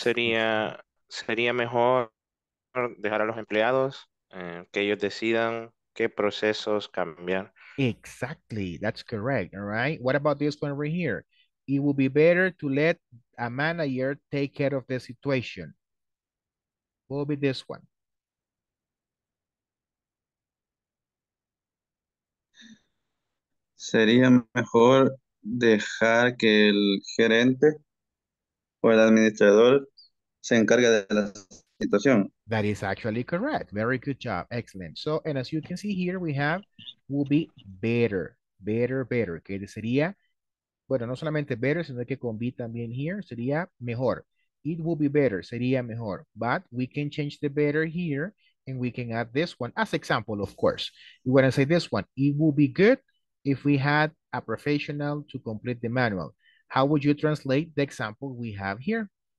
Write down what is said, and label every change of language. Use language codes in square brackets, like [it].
[es] Sería mejor dejar a los empleados que ellos decidan qué procesos cambiar. [en] Exactly, that's correct. All right. What about this one right here? It would be better to let a manager take care of the situation. What would be this one? [es] Sería mejor dejar que el gerente o el administrador se encarga de la situación. [en] That is actually correct. Very good job. Excellent. So, and as you can see here, we have will be better. [es] Que sería, bueno, no solamente better, sino que con B también here, sería mejor. [en] It will be better. [es] Sería mejor. [en] But we can change the better here and we can add this one as example, of course. You want to say this one. It will be good if we had a professional to complete the manual. How would you translate the example we have here?